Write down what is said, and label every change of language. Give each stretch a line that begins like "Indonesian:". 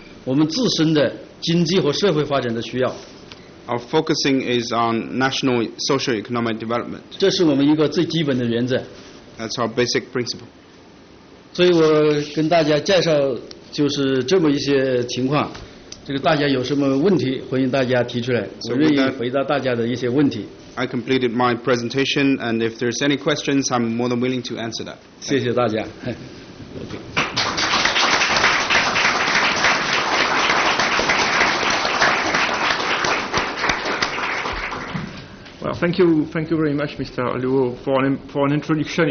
Chinese: 总的来讲，我们把立足点放在中国发展航天，首先是满足我们自身的经济和社会发展的需要。
English: Our focusing is on national social economic development.
Chinese: 这是我们一个最基本的原则。
English: That's our basic principle.
Chinese: 所以我跟大家介绍就是这么一些情况。这个大家有什么问题，欢迎大家提出来，我愿意回答大家的一些问题。
English: I completed my presentation, and if there's any questions, I'm more than willing to answer that.
Chinese: 谢谢大家。
English: Well, thank you very much, Mr. Liu, for an introduction.